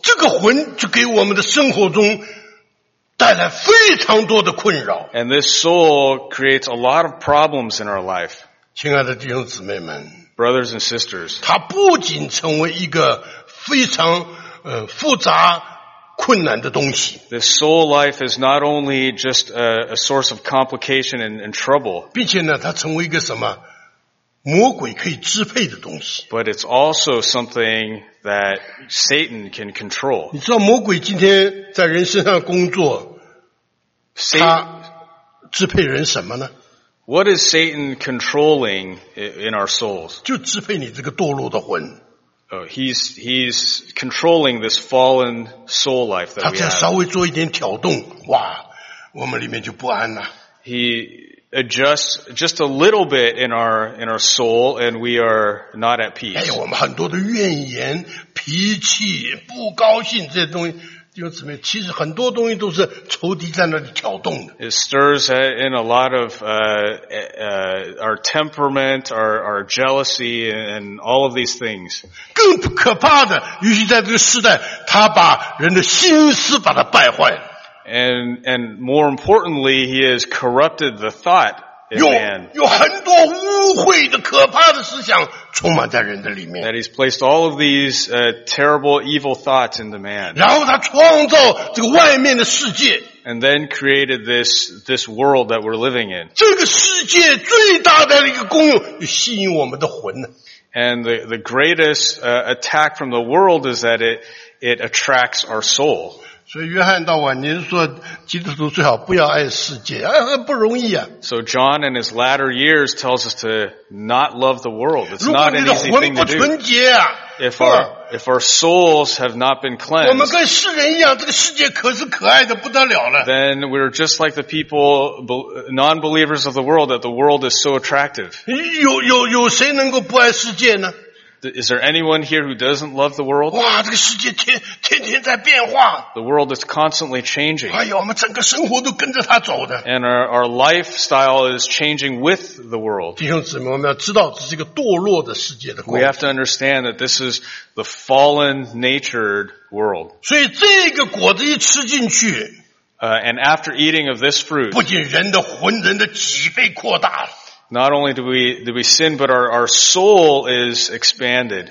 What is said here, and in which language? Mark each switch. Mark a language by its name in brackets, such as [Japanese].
[Chinese] 这个魂就给我们的生活中带来非常多的困扰。 [English] And this soul creates a lot of problems in our life. [Chinese] 亲爱的弟兄姊妹们。 [English] Brothers and sisters. [Chinese] 它不仅成为一个非常复杂困难的东西。 [English] The soul life is not only just a source of complication and trouble. [Chinese] 并且呢，它成为一个什么魔鬼可以支配的东西。 [English] But it's also something that Satan can control. [Chinese] 你知道魔鬼今天在人身上工作，他支配人什么呢？ [English] What is Satan controlling in our souls? [Chinese] 就支配你这个堕落的魂。 [English] He's controlling this fallen soul life that we have. [Chinese] 他再稍微做一点挑动，哇，我们里面就不安了。 [English] He adjusts just a little bit in our soul, and we are not at peace. [Chinese] 哎，我们很多的怨言、脾气、不高兴这些东西，弟兄姊妹，其实很多东西都是仇敌在那里挑动的。 [English] It stirs in a lot of our temperament, our jealousy, and all of these things. [Chinese] 更可怕的，尤其在这个时代，他把人的心思把它败坏了。 [English] And more importantly, he has corrupted the thought. [Chinese] 有很多污秽的可怕的思想充满在人的里面。 [English] That he's placed all of these terrible evil thoughts in the man. [Chinese] 然后他创造这个外面的世界。 [English] And then created this world that we're living in. [Chinese] 这个世界最大的一个功用就吸引我们的魂。 [English] And the greatest attack from the world is that it attracts our soul. [Chinese] 所以约翰到晚年说基督徒最好不要爱世界、不容易啊。 [English] So John in his latter years tells us to not love the world. It's not an easy thing to do. [Chinese] 如果你的魂不纯洁啊。 [English] If our souls have not been cleansed, [Chinese] 我们跟世人一样，这个世界可是可爱的不得了了。 [English] Then we're just like the people, non-believers of the world, that the world is so attractive. [Chinese] 有谁能够不爱世界呢？ [English] Is there anyone here who doesn't love the world? [Chinese] 哇，这个世界天天在变化。 [English] The world is constantly changing. [Chinese] 哎呀，我们整个生活都跟着它走的。 [English] And our lifestyle is changing with the world. [Chinese] 弟兄姊妹，我们要知道这是一个堕落的世界的过程。 [English] We have to understand that this is the fallen natured world. [Chinese] 所以这个果子一吃进去。 [English] And after eating of this fruit. [Chinese] 不仅人的魂，人的脊背扩大了。 [English] Not only do we sin, but our soul is expanded.